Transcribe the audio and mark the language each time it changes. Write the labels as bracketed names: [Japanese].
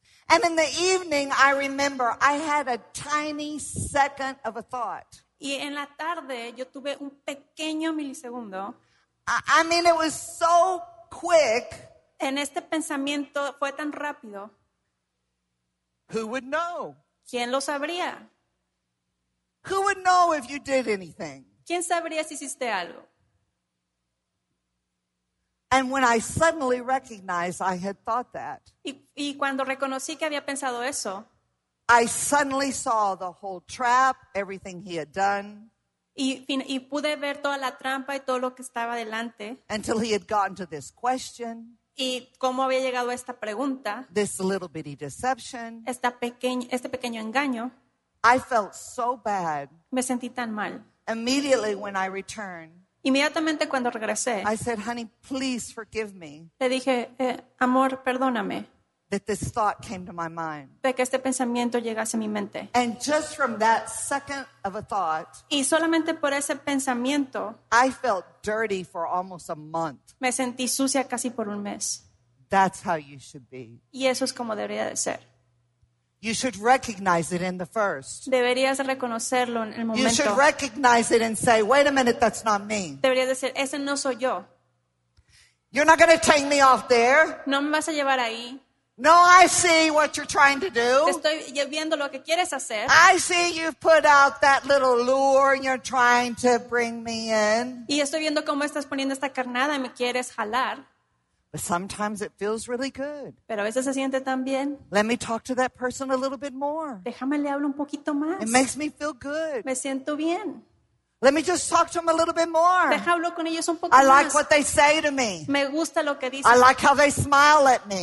[English] And in the evening, I remember I had a tiny second of a thought. [Spanish] Y en la tarde, yo tuve un pequeño milisegundo. [English] I mean, it was so quick. [Spanish] En este pensamiento fue tan rápido. [English] Who would know? [Spanish] ¿Quién lo sabría? [English] Who would know if you did anything? [Spanish] ¿Quién sabría si hiciste algo? [English] And when I suddenly recognized I had thought that, [Spanish] y cuando reconocí que había pensado eso, [English] I suddenly saw the whole trap, everything he had done. [Spanish] Y pude ver toda la trampa y todo lo que estaba delante. [English] Until he had gotten to this question. [Spanish] Y cómo había llegado a esta pregunta. [English] This little bitty deception. [Spanish] Este pequeño engaño. [English] I felt so bad. [Spanish] Me sentí tan mal. [English] Immediately when I returned. [Spanish] Inmediatamente cuando regresé. [English] I said, honey, please forgive me. [Spanish] Le dije, amor, perdóname. [English] That this thought came to my mind. [Spanish] De que este pensamiento llegase a mi mente. [English] And just from that second of a thought. [Spanish] Y solamente por ese pensamiento. [English] I felt dirty for almost a month. [Spanish] Me sentí sucia casi por un mes. [English] That's how you should be. [Spanish] Y eso es como debería de ser. [English] You should recognize it in the first. [Spanish] Deberías reconocerlo en el momento. [English] You should recognize it and say, wait a minute, that's not me. [Spanish] Deberías decir, ese no soy yo. [English] You're not going to take me off there. [Spanish] No me vas a llevar ahí. [English] No, I see what you're trying to do. [Spanish] Estoy viendo lo que quieres hacer. [English] I see you've put out that little lure and you're trying to bring me in. [Spanish] Y estoy viendo cómo estás poniendo esta carnada y me quieres jalar. [English] But sometimes it feels really good. [Spanish] Pero a veces se siente tan bien. [English] Let me talk to that person a little bit more. [Spanish] Déjame le hablo un poquito más. [English] It makes me feel good. [Spanish] Me siento bien. [English] Let me just talk to them a little bit more. [Spanish] Deja hablo con ellos un poco [English] I like [Spanish] más. [English] What they say to me. [Spanish] Me gusta lo que dicen. [English] I like how they smile at me.